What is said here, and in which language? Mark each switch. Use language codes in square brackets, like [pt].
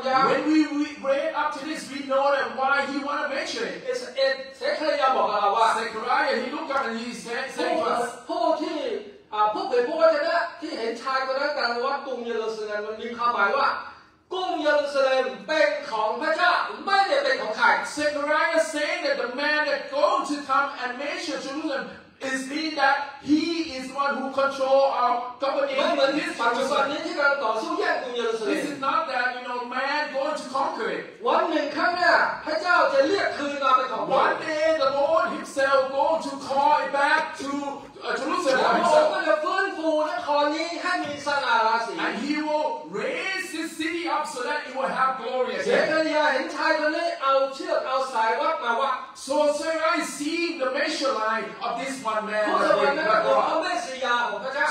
[en] When we read up to this, we know that why he want to measure it. Zechariah, he looked up and he said, say to us, [th] ผู้เผยพระวจนะที่เห็นชายคนนั้นกำลังวัดกรุงเยรูซาเล็มมันมีความหมายว่ากรุงเยรูซาเล็มเป็นของพระเจ้าไม่ได้เป็นของใคร [en] Zechariah saying that the man that going to come and measure Jerusalem is mean that he is the one who control our government [th] ไม่เหมือนปัจจุบันนี้ที่กำลังต่อสู้แย่งกรุงเยรูซาเล็ม [en] This is not that you know man going to conquer it [th] วันหนึ่งข้างหน้าพระเจ้าจะเรียกคืนมาเป็นของ [en] One day the Lord himself going to call it back toJerusalem. [th] พระองค์จะฟื้นฟูนครนี้ให้มีสง่าราศี [en] And he will raise this city up so that it will have glory. [th] เซคาริยาเห็นชายคนนี้เอาเชือกเอาสายวัดมาวัด [en] So Zechariah see the measure line of this one man. [th] ผู้สวรรค์นั้นก็คือพระเมสสิยาของพระเจ้า